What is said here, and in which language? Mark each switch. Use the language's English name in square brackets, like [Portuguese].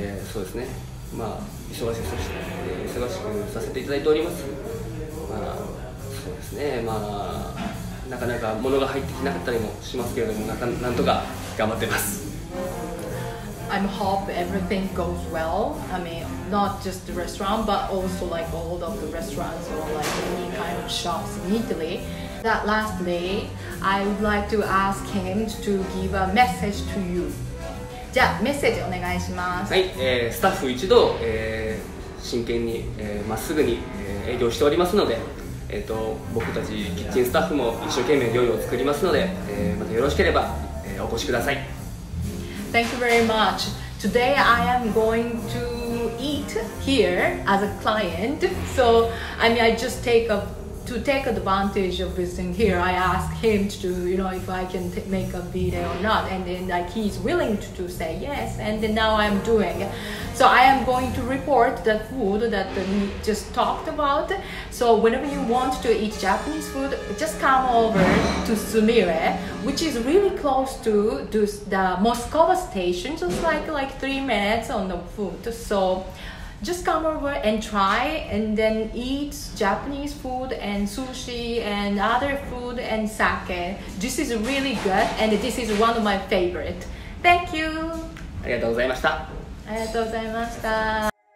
[Japanese] そうですね、まあ、忙しくさせていただいております、まあ、そうですね、まあ、なかなか物が入ってきなかったりもしますけれども、なんとか頑張ってます。 [English] I hope everything goes well. I mean, not just the restaurant, but also like all of the restaurants or like any kind of shops in Italy. That lastly, I would like to ask him to give a message to you. [Japanese] じゃあ、メッセージお願いします。はい、スタッフ一同、真剣に、まっすぐに、営業しておりますので、僕たちキッチンスタッフも一生懸命料理を作りますので、またよろしければ、お越しください。 [English] Thank you very much. Today I am going to eat here as a client. So, I mean, I just take advantage of visiting here. I ask him to, you know, if I can make a video or not. And then like, he's willing to say yes. And then now I'm doing. So I am going to report the food that we just talked about. So whenever you want to eat Japanese food, just come over to Sumire, which is really close to the Moscow station. So it's like 3 minutes on the food. So,Just come over and try and then eat Japanese food and sushi and other food and sake. This is really good and this is one of my favorite. Thank you! [Japanese] ありがとうございました。ありがとうございました。